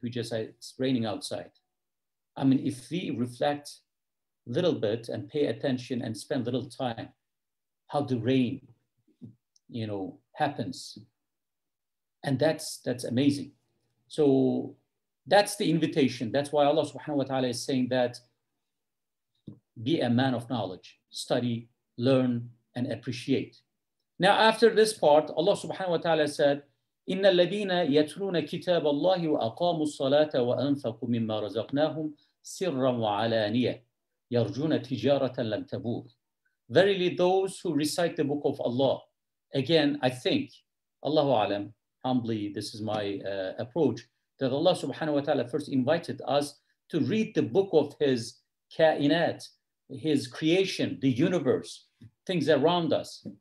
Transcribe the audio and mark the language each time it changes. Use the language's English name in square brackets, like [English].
[English] We just say, it's raining outside. I mean, if we reflect a little bit and pay attention and spend a little time, how the rain, you know, happens. And that's amazing. So that's the invitation. That's why Allah subhanahu wa ta'ala is saying that be a man of knowledge, study, learn, and appreciate. Now, after this part, Allah subhanahu wa ta'ala said, [Arabic] إِنَّ الَّذِينَ يَتْرُونَ كِتَابَ اللَّهِ وَأَقَامُوا الصَّلَاةَ وَأَنْفَقُوا مِمَّا رَزَقْنَاهُمْ سِرًّا وَعَلَانِيَةً يَرْجُونَ تِجَارَةً لَمْ تَبُورُ. [English] Verily, those who recite the book of Allah, again, I think, Allahu alam, humbly, this is my approach, that Allah subhanahu wa ta'ala first invited us to read the book of his kainat, his creation, the universe, things around us.